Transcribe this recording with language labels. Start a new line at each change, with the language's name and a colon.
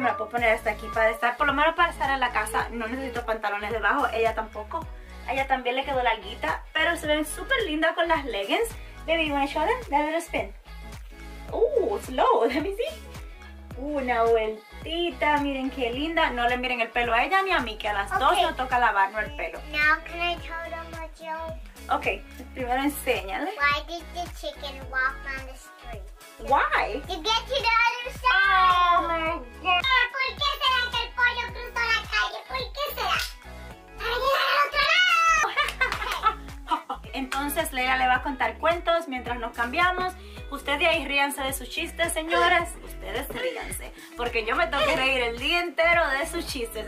Spanish: Me la puedo poner hasta aquí para estar, por lo menos para estar en la casa. No necesito pantalones debajo, ella tampoco. A ella también le quedó larguita, pero se ven súper lindas con las leggings. Baby, ¿quieres
English: show them?
Spanish: Dale a spin.
English: Slow, let me see.
Spanish: Una vueltita, miren qué linda. No le miren el pelo a ella ni a mí, que a las dos nos toca lavarnos el pelo.
English: Now, can I tell them what you...
Spanish: Ok, primero enséñale.
English: Why did the chicken walk on the street? Why? To get to the other side. Oh, my God.
Spanish: ¿Por qué será que el pollo cruzó la calle? ¿Por qué será? Para llegar al otro lado. Entonces, Leila le va a contar cuentos mientras nos cambiamos. Ustedes de ahí ríanse de sus chistes, señoras. Ustedes ríanse, porque yo me tengo que reír el día entero de sus chistes.